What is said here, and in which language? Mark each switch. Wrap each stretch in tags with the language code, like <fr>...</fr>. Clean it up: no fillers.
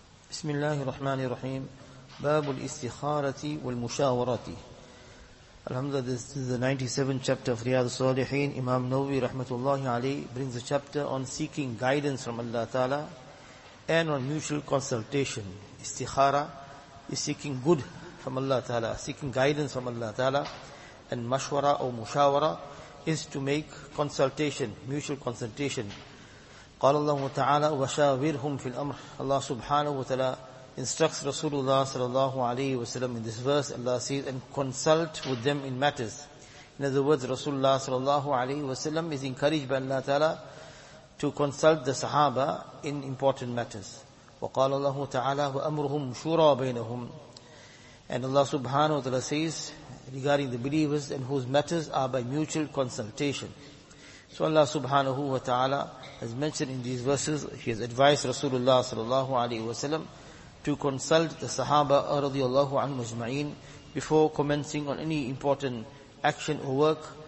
<ar>بسم الله الرحمن الرحيم باب الاستخارة والمشاورة الحمد لله.</ar> <en>This is the 97th chapter of Riyadh Salihin. Imam Nawawi rahmatullahi alayhi brings a chapter on seeking guidance from Allah Ta'ala and on mutual consultation. Istikhara is seeking good from Allah Ta'ala, seeking guidance from Allah Ta'ala, and mashwara or mushawara is to make consultation, mutual consultation.</en> <ar>قال الله تعالى وشاورهم في الأمر.</ar> <en>Allah subhanahu wa ta'ala instructs Rasulullah sallallahu alayhi wa sallam in this verse. Allah says, and consult with them in matters. In other words, Rasulullah sallallahu alayhi wa sallam is encouraged by Allah ta'ala to consult the sahaba in important matters.</en> <ar>وقال الله تعالى وأمرهم شورى بينهم.</ar> <en>And Allah subhanahu wa ta'ala says regarding the believers and whose matters are by mutual consultation. So Allah subhanahu wa ta'ala has mentioned in these verses, he has advised Rasulullah sallallahu alayhi wa sallam to consult the sahaba radiyallahu anhum ajma'in before commencing on any important action or work.</en>